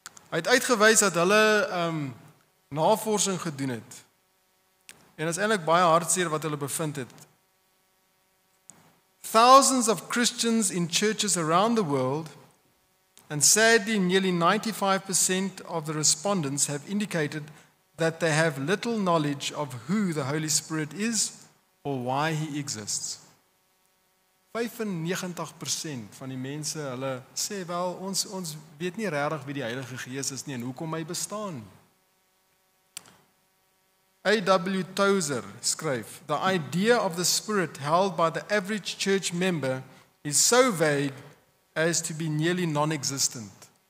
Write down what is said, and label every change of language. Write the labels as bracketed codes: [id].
[af] Hy het uitgewys dat hulle navorsing gedoen het. En is eintlik baie hartseer wat hulle bevind het. [en] Thousands of Christians in churches around the world, and sadly nearly 95% of the respondents have indicated that they have little knowledge of who the Holy Spirit is or why He exists. [af] 95% van die mense, hulle sê wel, ons weet nie regtig wie die Heilige Gees is nie en hoekom hy bestaan. A.W. Tozer skryf, [en] "The idea of the Spirit held by the average church member is so vague as to be nearly non-existent."